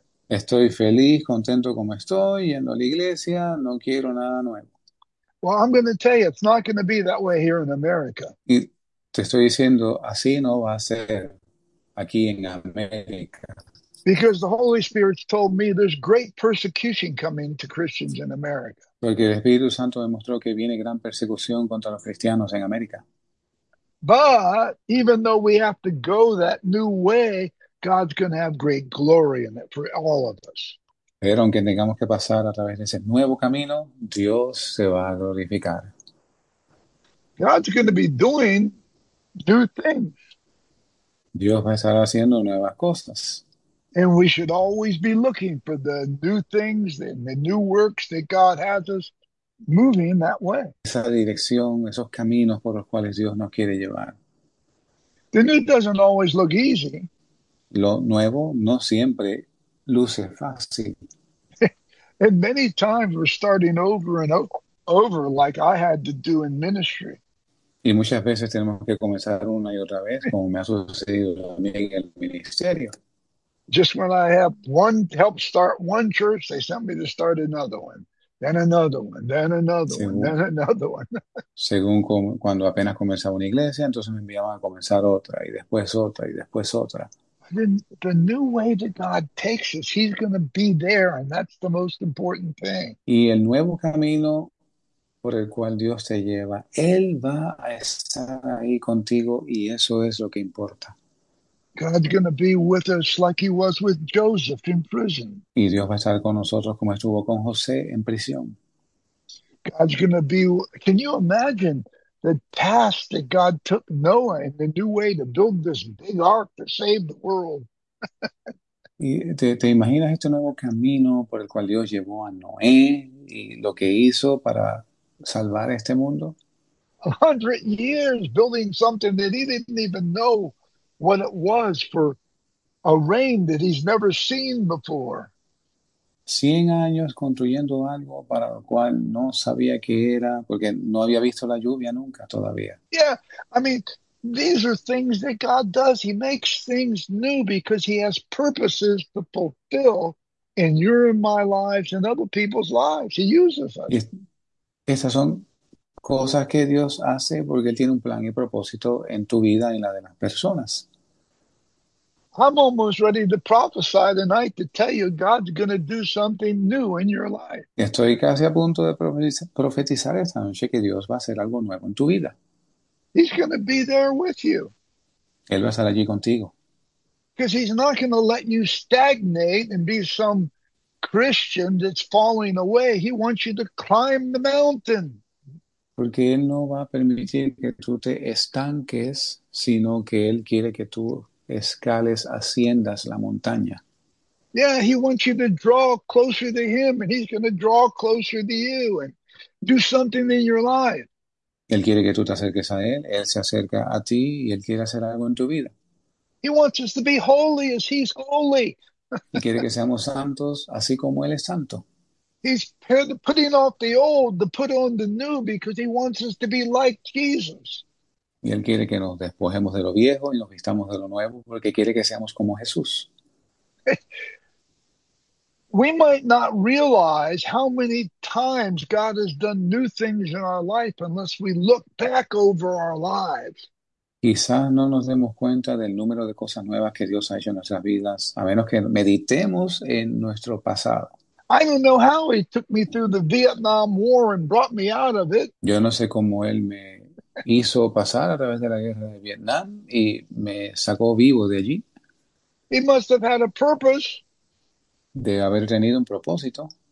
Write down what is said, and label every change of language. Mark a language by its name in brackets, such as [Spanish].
[Spanish] Estoy feliz, contento como estoy, yendo a la iglesia, no quiero nada nuevo. [English] Well, I'm going to tell you, it's not going to be that way here in America. [Spanish] Y Te estoy diciendo, así no va a ser aquí en América. [English] Because the Holy Spirit told me there's great persecution coming to Christians in America. [Spanish] Porque el Espíritu Santo demostró que viene gran persecución contra los cristianos en América. [English] But even though we have to go that new way, God's going to have great glory in it for all of us. [Spanish] Pero aunque tengamos que pasar a través de ese nuevo camino, Dios se va a glorificar. [English] God's going to be doing new things. [Spanish] Dios va a estar haciendo nuevas cosas. [English] And we should always be looking for the new things and the new works that God has us moving that way. [Spanish] Esa dirección, esos caminos por los cuales Dios nos quiere llevar. [English] The new doesn't always look easy. [Spanish] Lo nuevo no siempre luce fácil. [English] And many times we're starting over and over, like I had to do in ministry. [Spanish] Y muchas veces tenemos que comenzar una y otra vez, como me ha sucedido a mí en el ministerio. [English] Just when I helped start one church, they sent me to start another one, then another one, then another one, then [Spanish] Según [English] another one. [Spanish] cuando apenas comenzaba una iglesia, entonces me enviaban a comenzar otra y después otra y después otra. [English] The new way that God takes us, He's going to be there, and that's the most important thing. [Spanish] Y el nuevo camino por el cual Dios te lleva, Él va a estar ahí contigo y eso es lo que importa. [English] God's going to be with us like He was with Joseph in prison. [Spanish] Y Dios va a estar con nosotros como estuvo con José en prisión. [English] God's going to be, can you imagine? The task that God took Noah in the new way to build this big ark to save the world. [Spanish] ¿Y te imaginas este nuevo camino por el cual Dios llevó a Noé y lo que hizo para salvar este mundo? [English] 100 years building something that he didn't even know what it was for a rain that he's never seen before. [Spanish] 100 años construyendo algo para lo cual no sabía qué era, porque no había visto la lluvia nunca todavía. [English] Yeah, I mean, these are things that God does. He makes things new because He has purposes to fulfill in your and my lives and other people's lives. He uses us. [Spanish] Esas son cosas que Dios hace porque Él tiene un plan y propósito en tu vida y en la de las personas. [English] I'm almost ready to prophesy tonight to tell you God's going to do something new in your life. [Spanish] Estoy casi a punto de profetizar esta noche que Dios va a hacer algo nuevo en tu vida. [English] He's going to be there with you. [Spanish] Él va a estar allí contigo. [English] Because he's not going to let you stagnate and be some Christian that's falling away. He wants you to climb the mountain. [Spanish] Porque Él no va a permitir que tú te estanques, sino que Él quiere que tú escales, asciendas la montaña. [English] Yeah, he wants you to draw closer to him, and he's going to draw closer to you and do something in your life. [Spanish] Él quiere que tú te acerques a Él, Él se acerca a ti y Él quiere hacer algo en tu vida. [English] He wants us to be holy as he's holy. [Spanish] Y quiere que seamos santos así como Él es santo. [English] He's putting off the old to put on the new because he wants us to be like Jesus. [Spanish] Y Él quiere que nos despojemos de lo viejo y nos vistamos de lo nuevo, porque quiere que seamos como Jesús. [English] We might not realize how many times God has done new things in our life unless we look back over our lives. [Spanish] Quizás no nos demos cuenta del número de cosas nuevas que Dios ha hecho en nuestras vidas, a menos que meditemos en nuestro pasado. [English] I don't know how he took me through the Vietnam War and brought me out of it. [Spanish] Yo no sé cómo Él me hizo pasar a través de la guerra de Vietnam y me sacó vivo de allí, [English] He must have had a purpose. [Spanish] de haber tenido un propósito.